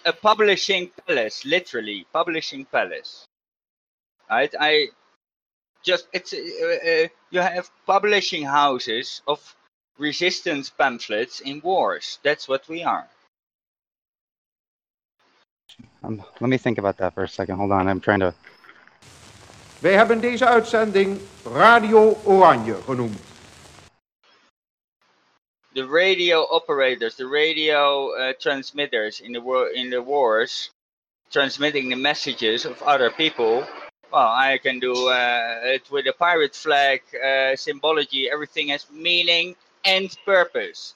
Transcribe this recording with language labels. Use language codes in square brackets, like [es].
[en] A publishing palace, literally publishing palace. Right? You have publishing houses of resistance pamphlets in wars. That's what we are. Let me think about that for a second. Hold on, I'm trying to. [nl] We hebben deze uitzending Radio Oranje genoemd. [en] The radio operators, the radio transmitters in the wars, transmitting the messages of other people. Well, I can do it with a pirate flag, symbology. Everything has meaning and purpose.